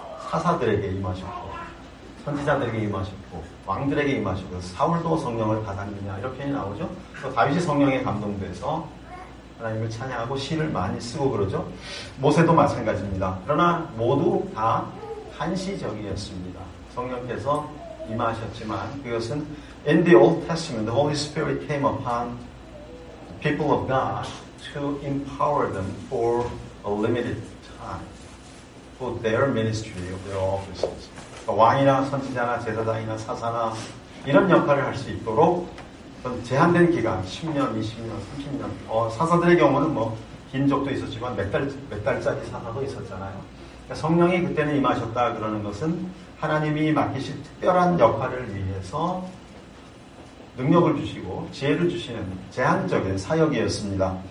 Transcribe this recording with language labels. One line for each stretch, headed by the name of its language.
Korean: 사사들에게 임하셨고, 선지자들에게 임하셨고, 왕들에게 임하셨고, 사울도 성령을 받았느냐, 이렇게 나오죠. 또 다윗이 성령에 감동돼서 하나님을 찬양하고 시를 많이 쓰고 그러죠. 모세도 마찬가지입니다. 그러나 모두 다 한시적이었습니다. 성령께서 임하셨지만, 그것은
English: In the Old Testament, the Holy Spirit came upon people of God to empower them for a limited time for their ministry of their offices.
Korean: 왕이나 선지자나 제사장이나 사사나 이런 역할을 할 수 있도록 제한된 기간, 10년, 20년, 30년. 사사들의 경우는 뭐, 긴 적도 있었지만, 몇 달짜리 사사도 있었잖아요. 그러니까 성령이 그때는 임하셨다, 그러는 것은 하나님이 맡기신 특별한 역할을 위해서 능력을 주시고, 지혜를 주시는 제한적인 사역이었습니다.